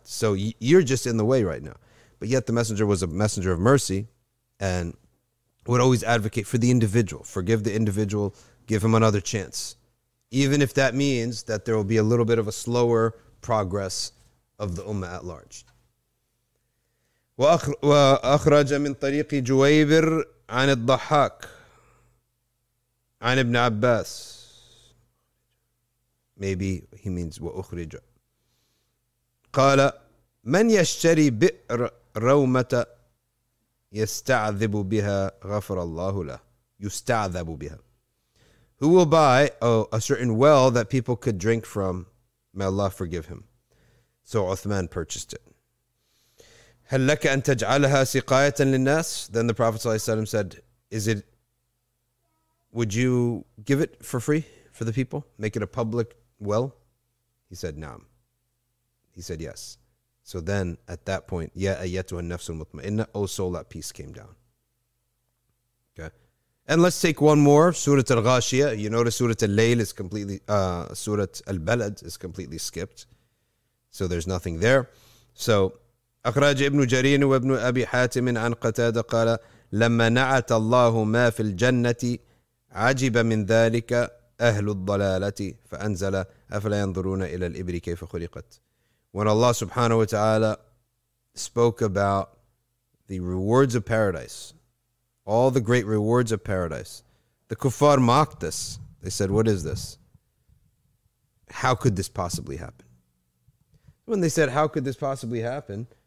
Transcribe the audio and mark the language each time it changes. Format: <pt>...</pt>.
<en>So you're just in the way right now. But yet the messenger was a messenger of mercy and would always advocate for the individual. Forgive the individual. Give him another chance. Even if that means that there will be a little bit of a slower progress of the ummah at large.</en> <ar>وأخرج من طريق جويبر عن الضحاك عن ابن عباس.</ar> <en>Maybe he means وأخرج.</en> <ar>قال من يشتري بئر رومة يستعذب بها غفر الله له يستعذب بها.</ar> <en>Who will buy a certain well that people could drink from, may Allah forgive him. So Uthman purchased it.</en> <ar>هل لك أن تجعلها سقاية للناس?</ar> <en>Then the Prophet ﷺ said, "Is it? Would you give it for free for the people? Make it a public well?" He said, "Nam." He said, "Yes." So then, at that point,</en> <ar>يا أيتها النفس المطمئنة,</ar> <en>O soul, that peace came down. Okay, and let's take one more Surah Al-Ghashiyah. You notice Surah Al-Layl is completely Surah Al-Balad is completely skipped. So there's nothing there.</en> <ar>So, أخرج ابن جرير وابن أبي حاتم عن قتادة قال لما نعت الله ما في الجنة عجب من ذلك أهل الضلالة فأنزل أفلا ينظرون إلى الإبل كيف خلقت.</ar> <en>When Allah subhanahu wa ta'ala spoke about the rewards of paradise, all the great rewards of paradise, the kuffar mocked this. They said, what is this? How could this possibly happen? When they said, how could this possibly happen?</en>